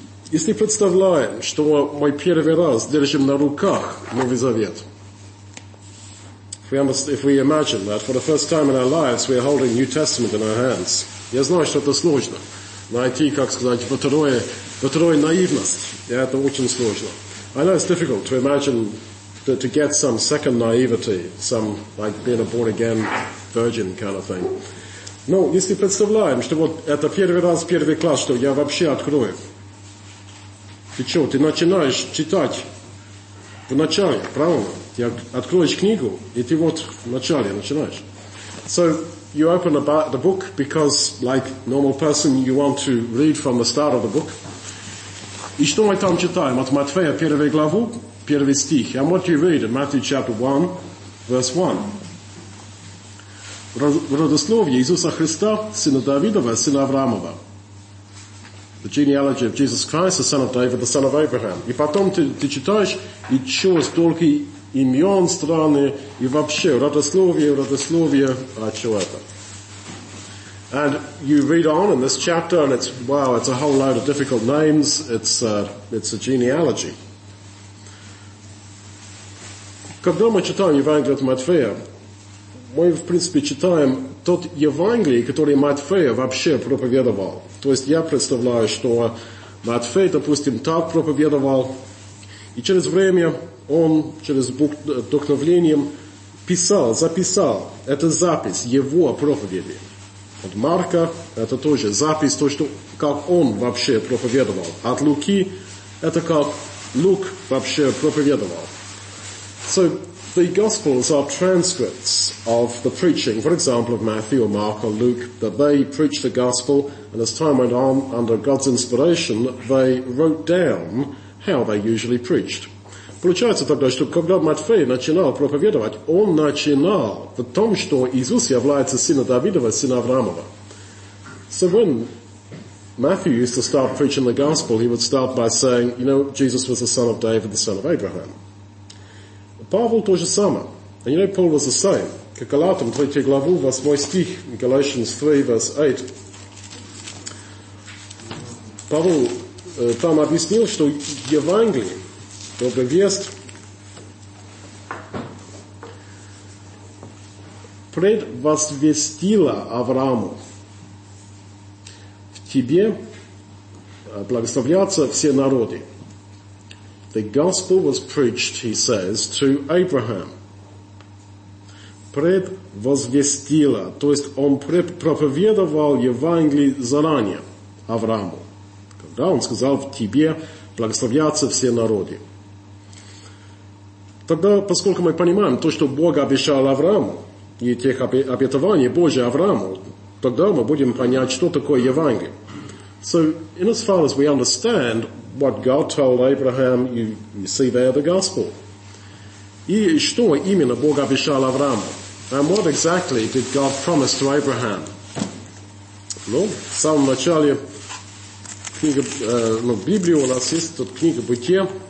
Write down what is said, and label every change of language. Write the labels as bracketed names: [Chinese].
[Russian] Если представляем, что мы первый раз держим на руках Новый Завет, [English] if we imagine that for the first time in our lives we are holding New Testament in our hands, [Russian] я знаю, что это сложно. Найти, как сказать, второе наивность. Yeah, это очень сложно. [English] I know it's difficult to imagine that to get some second naivety, some like being a born again virgin kind of thing. [Russian] Но если представляем, что вот это первый раз, первый класс, что я вообще открою. Ты что, ты начинаешь читать в начале, правильно? Ты откроешь книгу, и ты вот в начале начинаешь. [English] So, you open the book because, like normal person, you want to read from the start of the book. [Russian] И что мы там читаем? От Матфея, первую главу, первый стих. [English] And what do you read in Matthew chapter 1, verse 1? [Russian] Родословие Иисуса Христа, сына Давидова, сына Авраамова. [English] The genealogy of Jesus Christ, the son of David, the son of Abraham. [Russian] И потом ты читаешь, и чего столько имен странных, и вообще родословие, а чего это? [English] And you read on in this chapter, and it's, wow, it's a whole load of difficult names. It's a genealogy. [Russian] Когда мы читаем Евангелие от Матфея, мы, в принципе, читаем тот Евангелие, который Матфея вообще проповедовал. То есть я представляю, что Матфей, допустим, так проповедовал, и через время он, через вдохновлением, писал, записал. Это запись его проповеди. От Марка это тоже запись, то, что, как он вообще проповедовал. От Луки это как Лук вообще проповедовал. [English] So, the Gospels are transcripts of the preaching, for example, of Matthew or Mark or Luke, that they preached the Gospel, and as time went on, under God's inspiration, they wrote down how they usually preached. [Russian] Получается тогда, что когда Матфей начинал проповедовать, он начинал в том, что Иисус является сыном Давидова, сыном Авраамова. [English] So when Matthew used to start preaching the Gospel, he would start by saying, you know, Jesus was the son of David, the son of Abraham. [Russian] Павел то же самое. [English] And you know, Paul was the same. [Russian] Галатам 3 главу, 8 стих, [English] Galatians 3, verse 8. [Russian] Павел там объяснил, что Евангелие, добрая весть, предвозвестила Аврааму. В тебе благословятся все народы. [English] The gospel was preached, he says, to Abraham. [Russian] Предвозвестила. То есть он проповедовал Евангелие заранее Аврааму. Когда он сказал, в тебе благословятся все народы. Тогда, поскольку мы понимаем то, что Бог обещал Аврааму, и тех обетований Божьи Аврааму, тогда мы будем понять, что такое Евангелие. [English] So, in as far as we understand what God told Abraham, you see there the gospel. [Russian] И что именно Бог обещал Аврааму? [English] And what exactly did God promise to Abraham? [Russian] Ну, в самом начале книга, ну, Библии у нас есть тут книга Бытия.